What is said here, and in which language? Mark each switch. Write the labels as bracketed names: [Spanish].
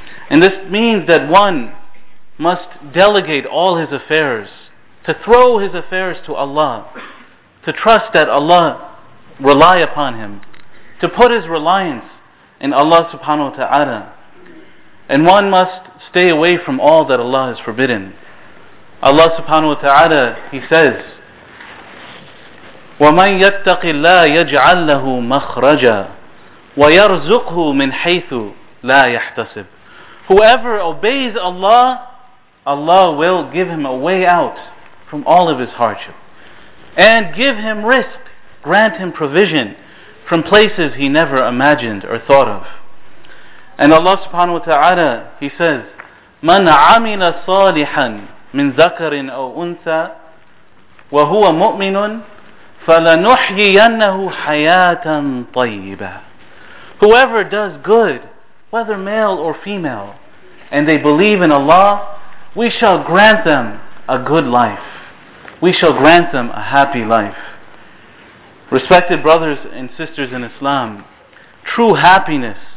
[English] And this means that one must delegate all his affairs, to throw his affairs to Allah, to trust that Allah rely upon him, to put his reliance in Allah subhanahu wa ta'ala. And one must stay away from all that Allah has forbidden. Allah subhanahu wa ta'ala, he says, [Arabic] وَمَنْ يَتَّقِ اللَّهَ يَجْعَلْ لَهُ مَخْرَجًا وَيَرْزُقْهُ مِنْ حَيْثُ لَا يَحْتَسِبُ. [English] Whoever obeys Allah, Allah will give him a way out from all of his hardship, and give him rizq, grant him provision from places he never imagined or thought of. And Allah subhanahu wa ta'ala, he says, [Arabic] مَنْ عَمِلَ صَالِحًا مِنْ ذَكَرٍ أَوْ أُنْثَى وَهُوَ مُؤْمِنٌ فَلَنُحْيِيَنَّهُ حَيَاةً طَيِّبًا. [English] Whoever does good, whether male or female, and they believe in Allah, we shall grant them a good life. We shall grant them a happy life. Respected brothers and sisters in Islam, true happiness